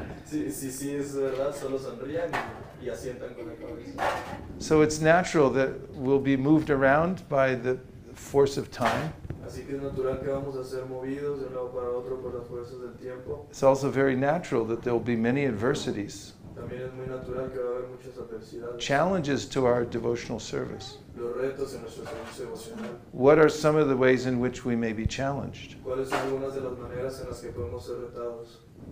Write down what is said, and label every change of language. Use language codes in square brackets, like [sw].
[es] Si es verdad, solo sonrían y asientan con la cabeza. [en] So it's natural that we'll be moved around by the force of time. [es] Así que es natural que vamos a ser movidos de un lado para otro por las fuerzas del tiempo. [en] It's also very natural that there will be many adversities. [es] También es muy natural que va a haber muchas adversidades. [en] Challenges to our devotional service. [es] Los retos en nuestro servicio devocional. [en] What are some of the ways in which we may be challenged? [es] ¿Cuáles son algunas de las maneras en las que podemos ser retados?